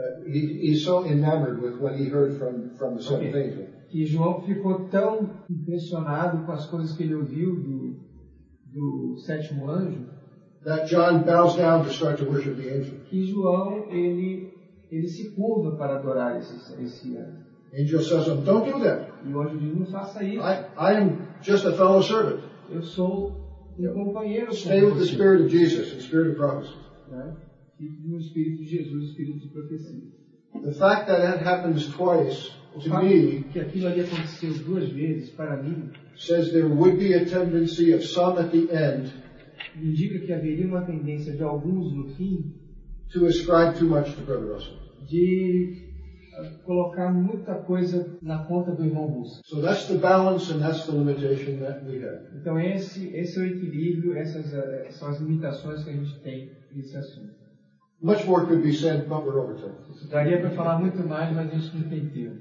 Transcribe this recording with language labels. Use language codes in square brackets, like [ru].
[en] He's so enamored with what he heard from the seventh angel. [pt] Que João ficou tão impressionado com as coisas que ele ouviu do sétimo anjo, [en] that John bows down to start to worship the angel. [pt] Que João ele se curva para adorar esse anjo. [en] Angel says, "Don't do that." [pt] E o anjo diz, "Não faça isso." [en] I am just a fellow servant. [pt] Eu sou um companheiro. [en] Stay with the Spirit of Jesus, the Spirit of prophecy. [pt] Fique no Espírito de Jesus, Espírito de profecia. [en] The fact that that happens twice to me, [pt] que aquilo ali aconteceu duas vezes para mim, [en] says there would be a tendency of some at the end, [pt] indica que haveria uma tendência de alguns no fim, [en] to ascribe too much to Brother Russell, [pt] de colocar muita coisa na conta do irmão Russell. [en] So that's the balance and that's the limitation that we have. [pt] Então esse é o equilíbrio, essas são as limitações que a gente tem nesse assunto. [en] Much more could be said, but we're over time. [pt] Daria para falar muito mais, mas a gente não tem tempo.